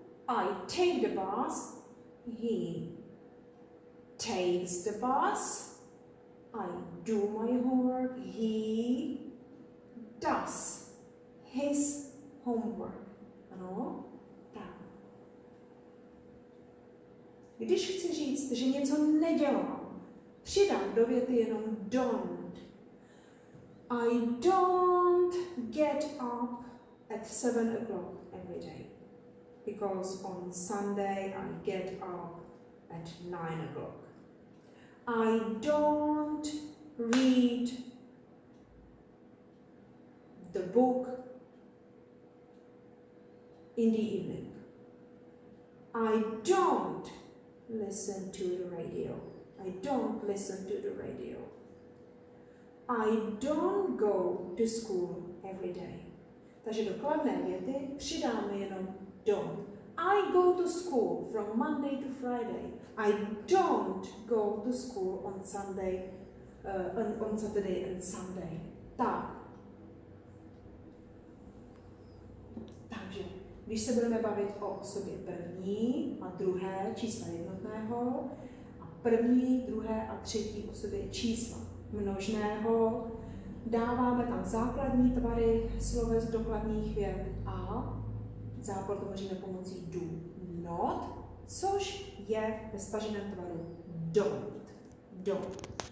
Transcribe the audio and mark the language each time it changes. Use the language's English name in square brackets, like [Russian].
[English] I take the bus, he takes the bus, I do my homework, he does his homework. [Czech] Ano, tak. Když chci říct, že něco nedělám, přidám do věty jenom don't, [English] I don't get up at 7 o'clock every day, because on Sunday I get up at 9 o'clock. I don't read the book in the evening. I don't listen to the radio. I don't listen to the radio. I don't go to school every day. [Czech] Takže do kladné věty přidáme jenom don't. [English] I go to school from Monday to Friday. I don't go to school on Sunday, on Saturday and Sunday. [Czech] Tak. Takže, když se budeme bavit o osobě první a druhé čísla jednotného, a první, druhé a třetí osobě čísla množného, dáváme tam základní tvary sloves dokladních věd a zápor tvoříme pomocí do not, což je ve staženém tvaru don't. Don't.